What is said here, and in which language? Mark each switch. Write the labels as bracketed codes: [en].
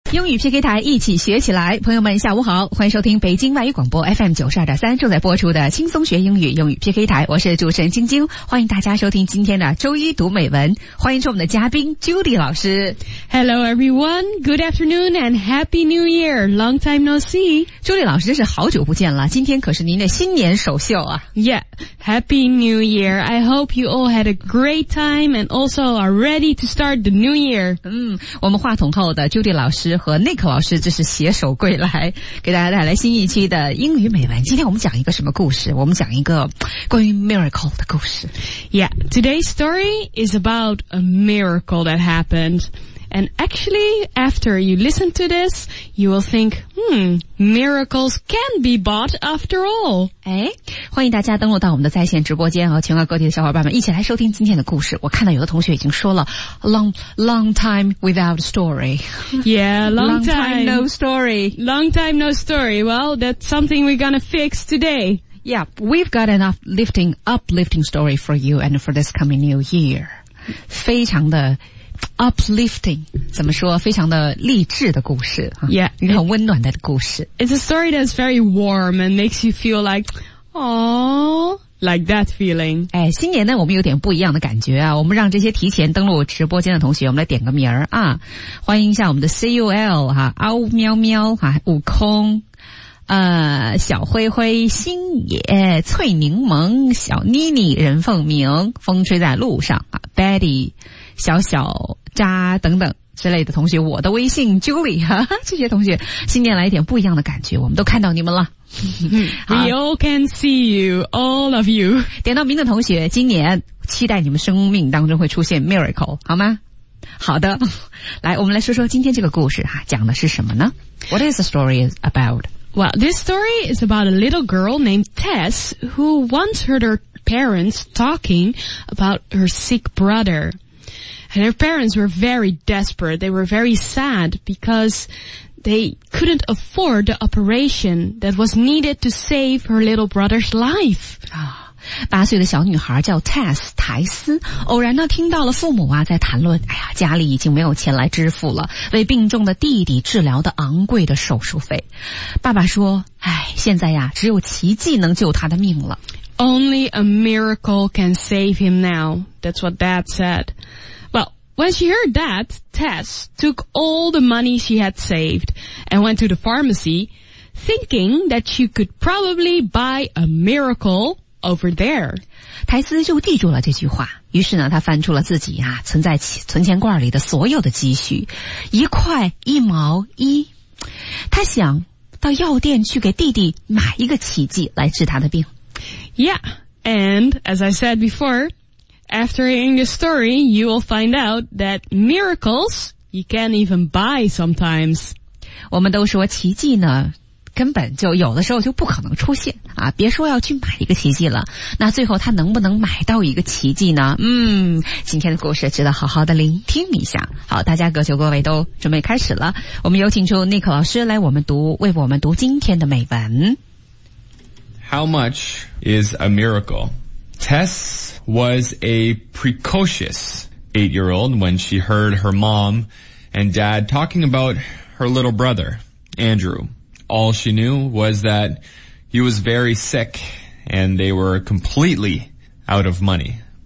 [zh] 英语 PK 台一起学起来，朋友们下午好，欢迎收听北京外语广播 FM92.3 正在播出的轻松学英语英语 PK 台，我是主持人晶晶，欢迎大家收听今天的周一读美文，欢迎出我们的嘉宾 Judy 老师。 [en] Hello everyone, good afternoon and happy new year, long time no see. [zh] Judy 老师真是好久不见了，今天可是您的新年首秀啊。 [en] Yeah, happy new year, I hope you all had a great time and also are ready to start the new year. [zh] 我们话筒后的 Judy 老师和 Nick 老师这是携手归来，给大家带来新一期的英语美文。今天我们讲一个什么故事？我们讲一个关于 miracle 的故事。 [en] Yeah, today's story is about a miracle that happened. And actually, after you listen to this, you will think, miracles can be bought after all. [zh] 欢迎大家登录到我们的在线直播间，和全国各地的小伙伴们一起来收听今天的故事。我看到有的同学已经说了 [en] long time without story. Yeah, long time no story. Well, that's something we're gonna fix today. Yeah, we've got an uplifting story for you and for this coming new year. [zh] 非常的uplifting, 怎么说非常的励志的故事。 [en] Yeah, [zh] 一个很温暖的故事。 [en] It's a story that's very warm and makes you feel like, aww, like that feeling. [zh] 新年呢我们有点不一样的感觉啊，我们让这些提前登录直播间的同学我们来点个名儿啊。欢迎一下我们的 CUL, 啊嗷喵喵啊悟空。小灰灰、星野、翠柠檬、小妮妮、任凤鸣、风吹在路上啊 ,Betty, 小小渣等等之类的同学，我的微信 Julie, 这些同学新年来一点不一样的感觉，我们都看到你们了。 [en] We all can see you, all of you. [zh] 点到名的同学，今年期待你们生命当中会出现 miracle, 好吗？好的。来，我们来说说今天这个故事啊，讲的是什么呢？ [en] What is the story about? Well, this story is about a little girl named Tess who once heard her parents talking about her sick brother. And her parents were very desperate. They were very sad because they couldn't afford the operation that was needed to save her little brother's life. [zh] 八岁的小女孩叫 Tess, 苔丝，偶然呢听到了父母啊在谈论，哎呀，家里已经没有钱来支付了为病重的弟弟治疗的昂贵的手术费。爸爸说，哎，现在呀只有奇迹能救他的命了。 [en] Only a miracle can save him now. That's what Dad said. Well, when she heard that, Tess took all the money she had saved and went to the pharmacy thinking that she could probably buy a miracle. Over there. [zh] 苔丝就记住了这句话，于是呢他翻出了自己啊存在存钱罐里的所有的积蓄，一块一毛一，他想到药店去给弟弟买一个奇迹来治他的病。 [en] Yeah, and as I said before, after hearing this story, you will find out that miracles you can't even buy sometimes. [zh] 我们都说奇迹呢根本就有的时候就不可能出现啊，别说要去买一个奇迹了，那最后他能不能买到一个奇迹呢？今天的故事值得好好的聆听一下。好，大家各就各位都准备开始了，我们有请出 Nick 老师来为我们读今天的美文。 [en] How much is a miracle? Tess was a precocious 8-year-old when she heard her mom and dad talking about her little brother, AndrewAll she knew was that he was very sick and they were completely out of money.